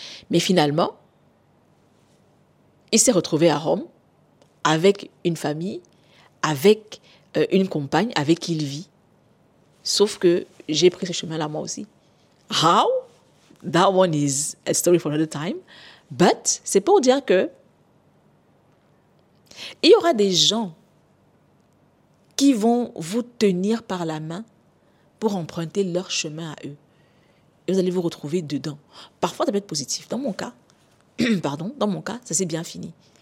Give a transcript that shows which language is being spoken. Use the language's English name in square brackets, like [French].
[French] Mais finalement, il s'est retrouvé à Rome avec une famille, avec une compagne avec qui il vit. Sauf que j'ai pris ce chemin-là moi aussi. [English] How? That one is a story for another time. But [French] c'est pour dire que il y aura des gens qui vont vous tenir par la main pour emprunter leur chemin à eux. Et vous allez vous retrouver dedans. Parfois, ça peut être positif. Dans mon cas, ça s'est bien fini.